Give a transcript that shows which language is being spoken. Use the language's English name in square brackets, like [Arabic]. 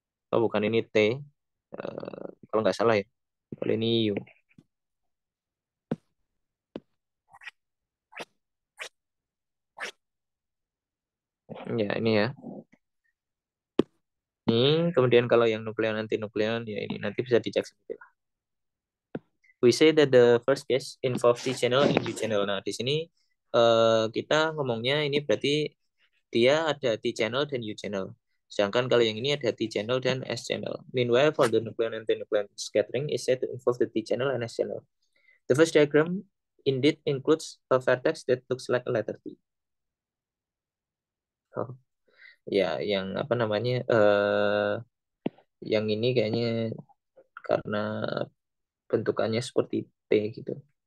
[Indonesian] Oh, bukan, ini T. Kalau nggak salah ya. Kalau ini U. Ya, ini ya. Ini, kemudian kalau yang nukleon anti-nukleon, ya ini nanti bisa dicek sendiri lah. [English] We say that the first case involves T-channel and U-channel. [Indonesian] Nah, di sini kita ngomongnya ini berarti dia ada T-channel dan U-channel. Sedangkan kalau yang ini ada T-channel dan S-channel. [English] Meanwhile, for the nucleon and antinucleon scattering is said to involve the T-channel and S-channel. The first diagram indeed includes a vertex that looks like a letter T. Oh. [Indonesian] Ya, yang apa namanya, yang ini kayaknya karena bentukannya seperti T gitu.